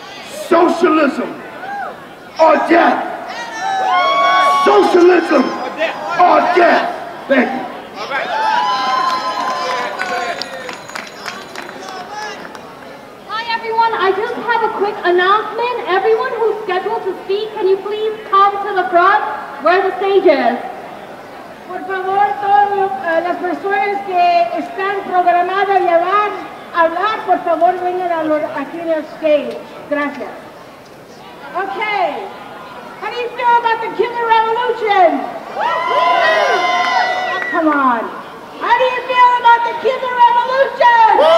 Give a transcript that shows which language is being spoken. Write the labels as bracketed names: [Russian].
[English] Socialism or death. Socialism or death. Thank you. Hi, everyone. I just have a quick announcement. Everyone who's scheduled to speak, can you please come to the front where the stage is? [Spanish] Por favor, todas las personas que están programadas y hablar, por favor, vengan aquí en el stage. Gracias. Okay. [English] How do you feel about the killer revolution? Oh, come on. How do you feel about the killer revolution?